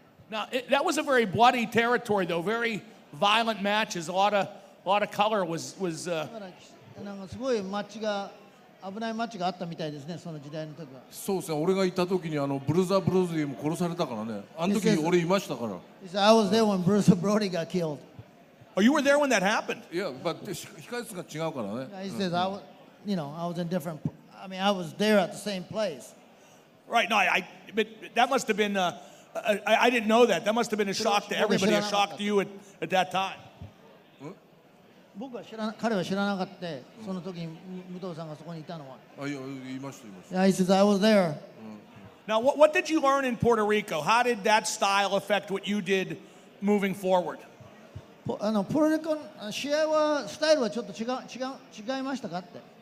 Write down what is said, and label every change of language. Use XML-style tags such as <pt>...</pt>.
<en>Now, that was a very bloody territory, though. Very violent matches. A lot of color was...</en> <ja>なんかすごい街が危ない街があったみたいですね、その時代の時は。そうですね、俺が行った時にあのブルーザー・ブロディも殺されたからね。あの時俺いましたから。</ja> <en>He said, I was there when Bruce Brody got killed. Oh, you were there when that happened? Yeah, but</en> <ja>控え室が違うからね。</ja> <en>He says, I was there at the same place. Right, no, I didn't know that. That must have been a shock to everybody, a shock to you at that time.</en> <ja>僕は知らな彼は知らなかったその時に武藤さんがそこにいたのは。あ、いや、いました、いました。</ja> <en>Yeah, he says, I was there. Now, what did you learn in Puerto Rico? How did that style affect what you did moving forward?</en> <ja>あの、プロリコの試合は、スタイルはちょっと違いましたかって。</ja>